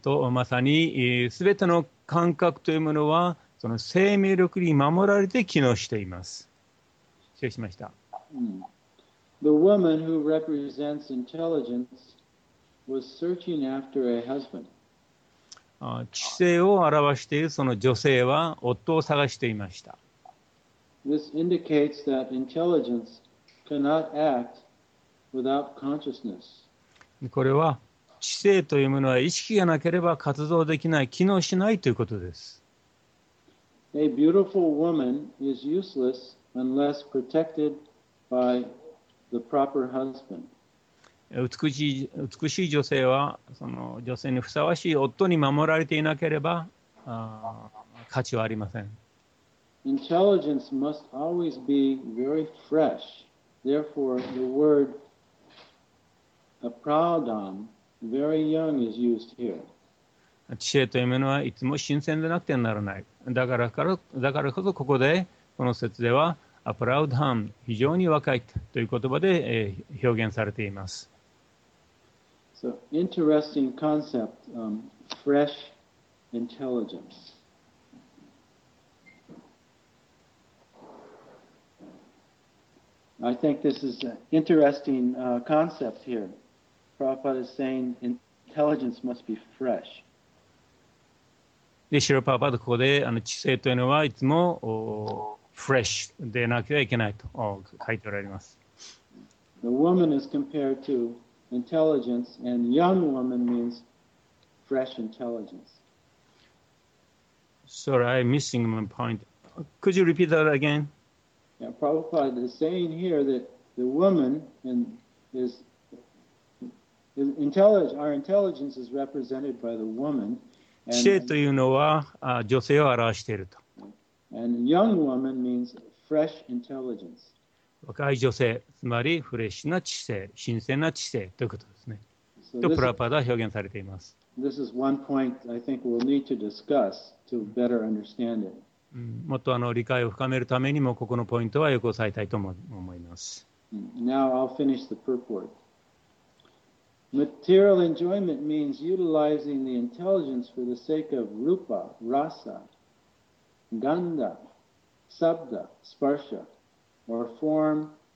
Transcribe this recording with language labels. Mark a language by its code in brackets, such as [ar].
[ja] まさに、全ての感覚というものはその生命力に守られて機能しています。失礼しました。 [en] The woman who represents intelligence was searching after a husband. [ja] 知性を表しているその女性は夫を探していました。 [en] This indicates that intelligence cannot act without consciousness. [ja] これは知性というものは意識がなければ活動できない、機能しないということです。 [en] A beautiful woman is useless unless protected by the proper husband. [ja] 美しい女性はその女性にふさわしい夫に守られていなければ価値はありません。 [en] Intelligence must always be very fresh. Therefore, the word apradhanVery young is used here. [ja] 知性というものはいつも新鮮でなくてはならない。だからこそここでこの説ではアプラウダン、非常に若いという言葉で表現されています。 [en] So, interesting concept, fresh intelligence. I think this is an interesting concept here. Prabhupada is saying intelligence must be fresh. [ja] で、シロパーパーとここで知性というのはいつもフレッシュでなきゃいけないと書いておられます。 [en] The woman is compared to intelligence, and young woman means fresh intelligence. Sorry, I'm missing my point. Could you repeat that again? Yeah, Prabhupada is saying here that the woman is. Our intelligence is represented by the woman. [ja] 知性というのは女性を表していると。 [en] And young woman means fresh intelligence. [ja] 若い女性、つまりフレッシュな知性、新鮮な知性ということですね。とプラパダは表現されています。 [en] This is one point I think we'll need to discuss to better understand it. [ja] もっと理解を深めるためにも、ここのポイントはよく押さえたいと思います。 [en] Now I'll finish the purport. Material enjoyment means utilizing the intelligence for the sake of rupa, rasa, ganda, sabda, sparsha, or form,